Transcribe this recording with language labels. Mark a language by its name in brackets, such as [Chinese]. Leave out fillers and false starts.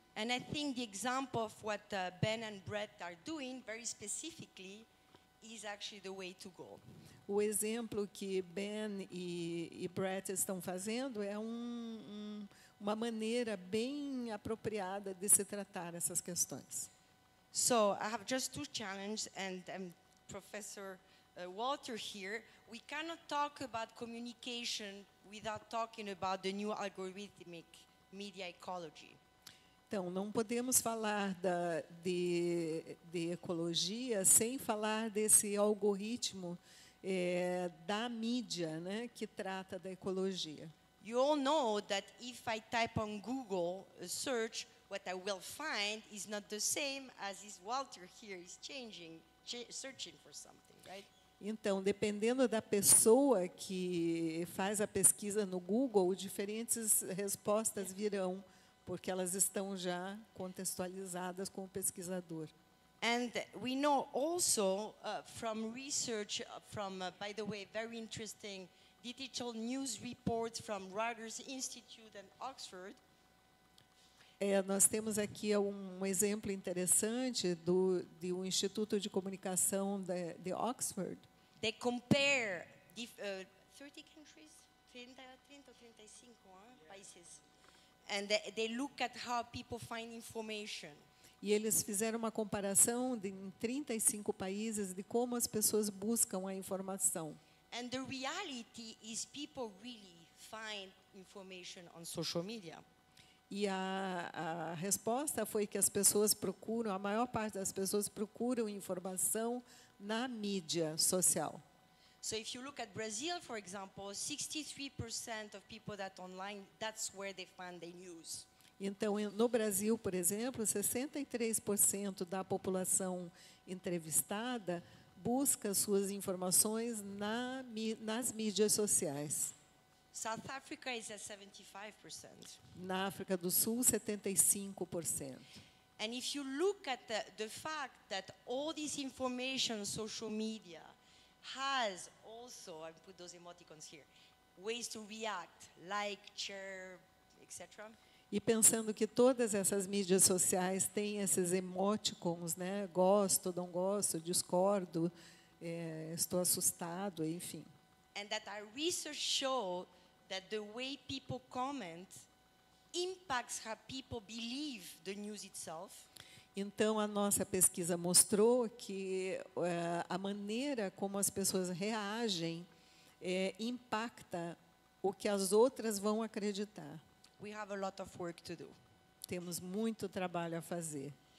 [English] And I think the example of what Ben and Brett are doing very specifically is actually the way to go. [Portuguese] O exemplo que Ben e Brett estão fazendo é uma maneira bem apropriada de se tratar essas questões. [English] So, I have just two challenges and Professor Walter here, we cannot talk about communication without talking about the new algorithmic media ecology. [Portuguese] Então, não podemos falar de ecologia sem falar desse algoritmo da mídia, né, que trata da ecologia. [English] You all know that if I type on Google a search, what I will find is not the same as is Walter here is changing, searching for something, right? [Portuguese] Então, dependendo da pessoa que faz a pesquisa no Google, diferentes respostas virão, porque elas estão já contextualizadas com o pesquisador. [English] And we know also from research from by the way very interesting digital news reports from Reuters Institute and Oxford. [Portuguese] Nós temos aqui um exemplo interessante de um Instituto de Comunicação de Oxford. [English] They compare 30 countries, 30 or 35 [Portuguese] países. [English] And they look at how people find information. [Portuguese] E eles fizeram uma comparação em 35 países de como as pessoas buscam a informação. [English] And the reality is people really find information on social media. [Portuguese] E a resposta foi que as pessoas procuram, a maior parte das pessoas procuram informação na mídia social. [English] So if you look at Brazil, for example, 63% of people that online, that's where they find the news. [Portuguese] Então, no Brasil, por exemplo, 63% da população entrevistada busca suas informações nas mídias sociais. [English] South Africa is at 75%. [Portuguese] Na África do Sul, 75%. [English] And if you look at the fact that all this information social media has also, I put those emoticons here, ways to react, like, share, etc. [Portuguese] E pensando que todas essas mídias sociais têm esses emoticons, né? Gosto, não gosto, discordo, estou assustado, enfim. [English] And that our research show that the way people comment impacts how people believe the news itself. [Portuguese] Então, a nossa pesquisa mostrou que a maneira como as pessoas reagem impacta o que as outras vão acreditar. [English] We have a lot of work to do. [Portuguese] Temos muito trabalho a fazer.